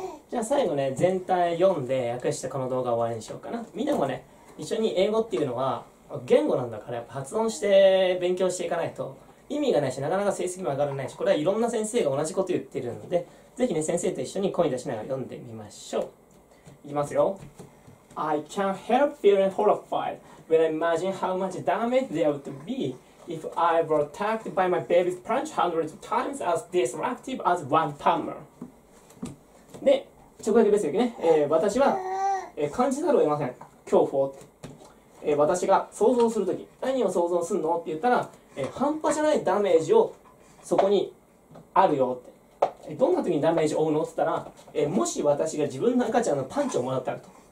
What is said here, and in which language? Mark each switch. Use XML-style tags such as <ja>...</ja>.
<ja>じゃあ最後ね、全体読んで訳してこの動画終わりにしようかな。みんなもね、一緒に英語っていうのは言語なんだから、やっぱ発音して勉強していかないと意味がないし、なかなか成績も上がらないし、これはいろんな先生が同じこと言ってるので、ぜひね先生と一緒に声出しながら読んでみましょう。いきますよ。</ja> <en>I can't help feeling horrified when I imagine how much damage there would be if I were attacked by my baby's punch hundreds of times as destructive as one palmer。</en> <ja>で直訳別訳ね、私は、感じざるを得ません恐怖を、私が想像するとき何を想像するのって言ったら、半端じゃないダメージをそこにあるよって、どんな時にダメージを負うのって言ったら、もし私が自分の赤ちゃんのパンチをもらったらと。</ja>